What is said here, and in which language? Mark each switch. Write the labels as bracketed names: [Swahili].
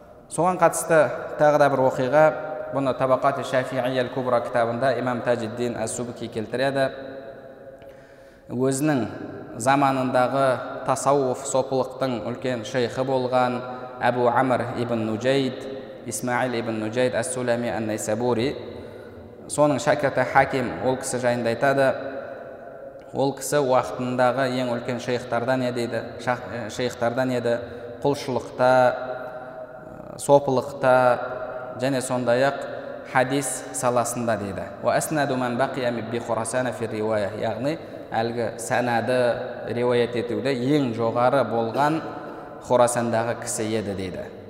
[Kazakh] Соған қатысты тағы да бір оқиға, бұны Табақат-и Шафиийя аль-Кубра кітабында имам Тәжиддин ас-Субки келтіреді. Өзінің заманындағы тасауф сопылықтың үлкен шейхы болған Әбу Амр ибн Нуджайд Исмаил ибн Нуджайд ас-Сулами ан-Найсабури. Соның шәкірті Хаким ол кісі жайында айтады. Ол кісі уақытындағы ең үлкен шейхтардан еді дейді. Шейхтардан еді. Құлшылықта, сопылықта және сондай-ақ хадис саласында дейді. [Arabic] Уа аснаду ман бақия би Хорасана фи ривая. [Kazakh] Яғни әлгі санады риуаят етуде ең жоғары болған Хорасандағы кісі еді дейді.